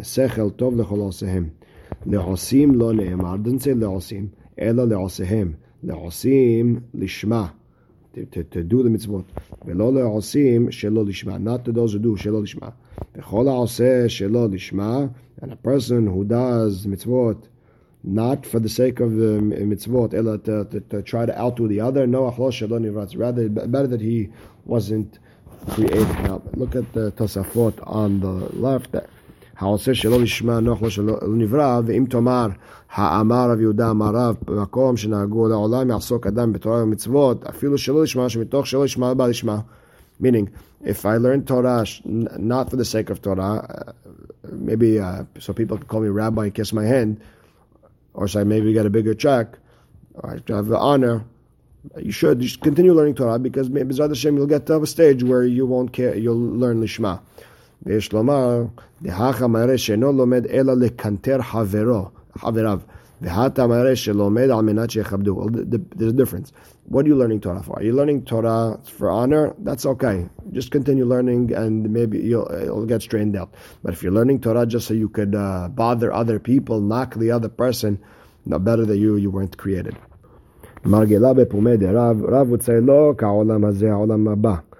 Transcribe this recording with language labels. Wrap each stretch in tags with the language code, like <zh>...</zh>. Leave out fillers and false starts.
<he>Sechel tov lecholosehim. Le'osim lo ne'emar,</he> <en>doesn't say le'osim,</en> <he>ela le'osehem, le'osim lishma,</he> <en>to do the mitzvot,</en> <he>ve'lo le'osim shelo lishma,</he> <en>not to those who do</en> <he>shelo lishma, ve'chol ha'oseh shelo lishma,</he> <en>and a person who does mitzvot, not for the sake of the mitzvot, ela to try to outdo the other,</en> <he>no achlo shelo nivratz,</he> <en>rather, better that he wasn't created. Now, look at the Tosafot on the left there.</en> <he>העושה שלא לשמע נוח לו שלא נברא, ואם תאמר, האמר רב יהודה אמר רב, במקום שנהגו לעולם יעסוק אדם בתורה ומצוות, אפילו שלא לשמע, שמתוך שלא לשמע, בא לשמע.</he> <en>Meaning, if I learn Torah, not for the sake of Torah, maybe so people can call me rabbi and kiss my hand, or say maybe get a bigger check, or I have the honor, you should just continue learning Torah, because maybe Zad Hashem, you'll get to a stage where you won't care, you'll learn lishma.</en> <he>ויש לומר, דהך המראה שאינו לומד אלא לקנטר חברו, והת המראה שלומד על מנת שיכבדו.</he> <en>Well, there's a difference. What are you learning Torah for? Are you learning Torah for honor? That's okay. Just continue learning and maybe you'll get strained out. But if you're learning Torah just so you could bother other people, knock the other person, no better than you weren't created.</en> <he>מרגלה בפומד,</he> <en>רב would say,</en> <he>לא כעולם הזה, העולם הבא.</he>